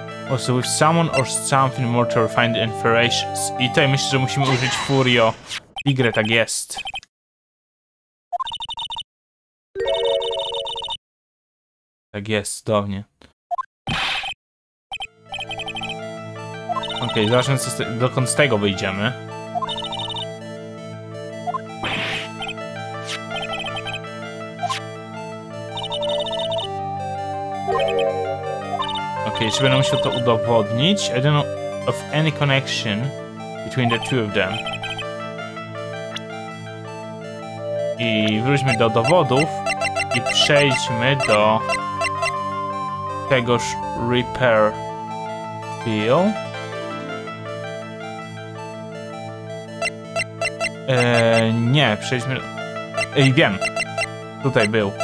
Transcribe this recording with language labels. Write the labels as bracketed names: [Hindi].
[English] Also with someone or something more to refine and ferocious. [Polish] I tutaj myślę, że musimy użyć Furio. Tigre, tak jest. Tak jest, cudownie. Okej, zobaczmy, dokąd z tego wyjdziemy. Jeszcze będę musiał to udowodnić. [English] I don't know of any connection between the two of them. [Polish] I wróćmy do dowodów i przejdźmy do tegoż [English] repair bill. [Polish] Nie, przejdźmy do... wiem. Tutaj był.